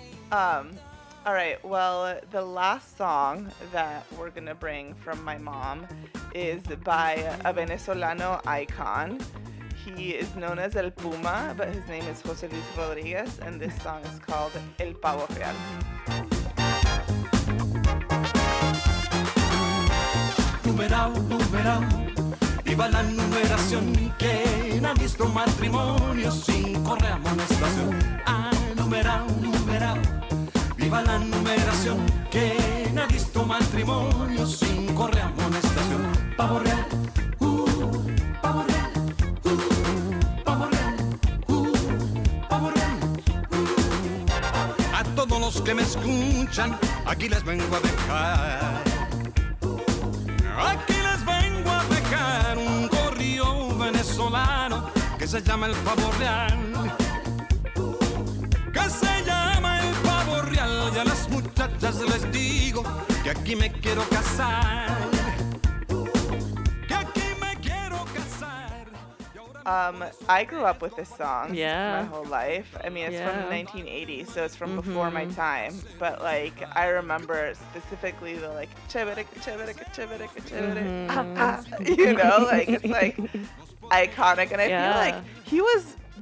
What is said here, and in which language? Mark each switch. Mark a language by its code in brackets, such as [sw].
[en] All right, well, the last song that we're gonna bring from my mom is by a Venezolano icon. He is known as El Puma, but his name is José Luis Rodríguez, and this song is called El Pavo Real. [es] Numeral, numeral, viva la numeración, que ha visto matrimonio sin correa amonestación. Numeral, numeral. Viva la numeración, que no ha visto matrimonio sin correa amonestación. Pavo real, pavo real, pavo real, pavo real, a todos los que me escuchan, aquí les vengo a dejar. Aquí les vengo a dejar un corrido venezolano que se llama el pavo real. Que se llama el pavo real. Y a las muchachas les digo que aquí me quiero casar. Que aquí me quiero casar. [en] I grew up with this song my whole life. I mean, it's from 1980, so it's from before my time. But, like, I remember specifically the, like, [es] chévere, chévere, chévere, chévere. [en] You know, like, it's, like, iconic. And I feel like he was...